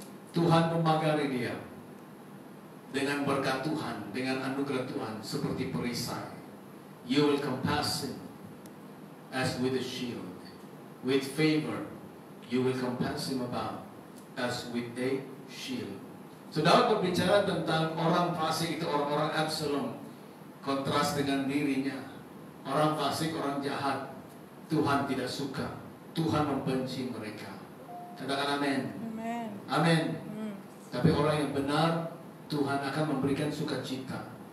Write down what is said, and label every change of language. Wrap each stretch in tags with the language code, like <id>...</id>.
<id>Tuhan memagari dia dengan berkat Tuhan, dengan anugerah Tuhan seperti perisai.</id> <en>You will compass him as with a shield. With favor, you will compass him about as with a shield.</en> <id>So Daud berbicara tentang orang fasik itu, orang-orang Absalom. Kontras dengan dirinya. Orang fasik, orang jahat, Tuhan tidak suka. Tuhan membenci mereka. Katakan amin. Amin. Tapi orang yang benar, Tuhan akan memberikan sukacita.</id>